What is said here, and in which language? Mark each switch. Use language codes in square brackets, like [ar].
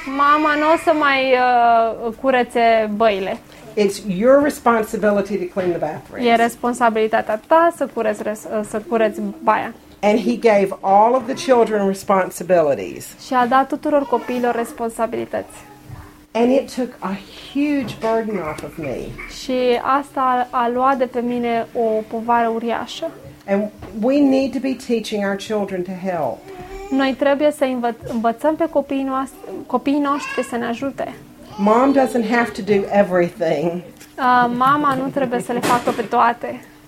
[ro] Mama n-o să mai curețe băile. [en] It's your responsibility to clean the bathrooms. [ro] E responsabilitatea ta să cureți să cureți baia. [en] And he gave all of the children responsibilities. [ro] Și a dat tuturor copiilor responsabilități. [en] And it took a huge burden off of me. [ro] Și asta a luat de pe mine o povară uriașă. [en] And we need to be teaching our children to help. [ro] Noi trebuie să învățăm pe copiii noștri să ne ajute. [en] Mom doesn't have to do everything. [ro] Mama nu trebuie să le facă pe toate.